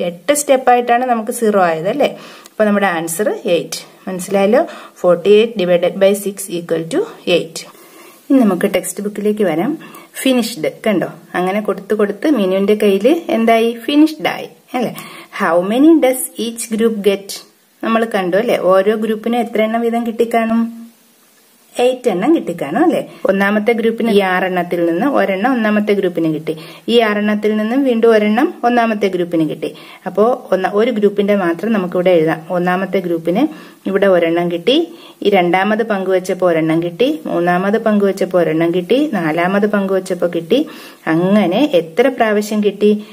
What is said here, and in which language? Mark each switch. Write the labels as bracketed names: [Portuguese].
[Malayalam] 8 സ്റ്റെപ്പായിട്ടാണ് നമുക്ക് 0 ആയത് അല്ലേ. അപ്പോൾ നമ്മുടെ ആൻസർ 8. മനസ്സിലായല്ലോ. 48 ÷ 6 = 8. ഇനി നമുക്ക് ടെക്സ്റ്റ് ബുക്കിലേക്ക് വരാം. ഫിനിഷ്ഡ് കണ്ടോ, അങ്ങനെ കൊടുത്ത് കൊടുത്ത് മീനുവിൻ്റെ കയ്യിൽ എന്തായി? ഫിനിഷ്ഡായി അല്ലേ. [English] How many does each group get? [Malayalam] നമ്മൾ കണ്ടു അല്ലേ, ഓരോ ഗ്രൂപ്പിനും എത്ര എണ്ണം വീതം കിട്ടിക്കാണും? 8 എണ്ണം കിട്ടിക്കാണും അല്ലേ. ഒന്നാമത്തെ ഗ്രൂപ്പിന് ഈ 6 എണ്ണത്തിൽ നിന്ന് ഒരെണ്ണം ഒന്നാമത്തെ ഗ്രൂപ്പിന് കിട്ടി, ഈ 6 എണ്ണത്തിൽ നിന്നും വീണ്ടും ഒരെണ്ണം ഒന്നാമത്തെ ഗ്രൂപ്പിന് കിട്ടി. അപ്പോൾ ഒരു ഗ്രൂപ്പിന്റെ മാത്രം നമുക്കിവിടെ എഴുതാം. ഒന്നാമത്തെ ഗ്രൂപ്പിന് ഇവിടെ ഒരെണ്ണം കിട്ടി, ഈ രണ്ടാമത് പങ്കുവച്ചപ്പോൾ ഒരെണ്ണം കിട്ടി, മൂന്നാമത് പങ്കുവച്ചപ്പോൾ ഒരെണ്ണം കിട്ടി, നാലാമത് പങ്കുവച്ചപ്പോൾ കിട്ടി, അങ്ങനെ എത്ര പ്രാവശ്യം കിട്ടി?